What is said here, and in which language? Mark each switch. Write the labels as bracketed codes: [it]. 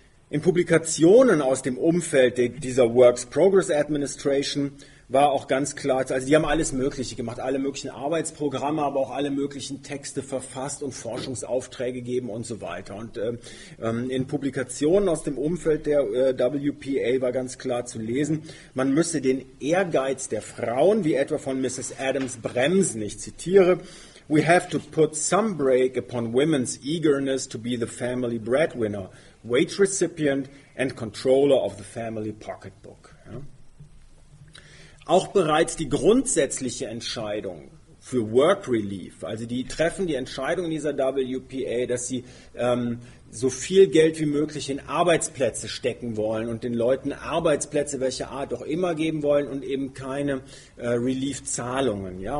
[de] In Publikationen aus dem Umfeld dieser Works Progress Administration war auch ganz klar, also die haben alles Mögliche gemacht, alle möglichen Arbeitsprogramme, aber auch alle möglichen Texte verfasst und Forschungsaufträge gegeben und so weiter. Und in Publikationen aus dem Umfeld der WPA war ganz klar zu lesen, man müsse den Ehrgeiz der Frauen, wie etwa von Mrs. Adams, bremsen. [en] Ich zitiere: "We have to put some brake upon women's eagerness to be the family breadwinner, wage recipient and controller of the family pocketbook." [de] Ja. Auch bereits die grundsätzliche Entscheidung für Work Relief, also die treffen die Entscheidung in dieser WPA, dass sie so viel Geld wie möglich in Arbeitsplätze stecken wollen und den Leuten Arbeitsplätze welcher Art auch immer geben wollen und eben keine Relief-Zahlungen. Ja?